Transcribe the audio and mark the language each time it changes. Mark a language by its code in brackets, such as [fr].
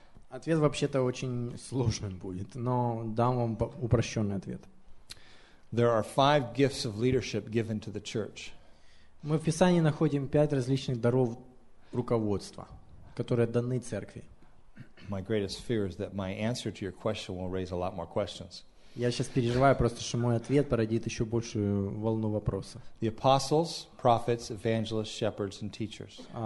[ru] Ответ вообще-то очень сложным будет, но дам вам упрощенный ответ. [en] There are five gifts of leadership given to the church. [ru] Мы в Писании находим пять различных даров руководства, которые даны церкви. [en] My greatest fear is that my answer to your question will raise a lot more questions. [ru] Я сейчас переживаю просто, что мой ответ породит еще большую волну вопросов. [en] The apostles, prophets, evangelists, shepherds, and teachers.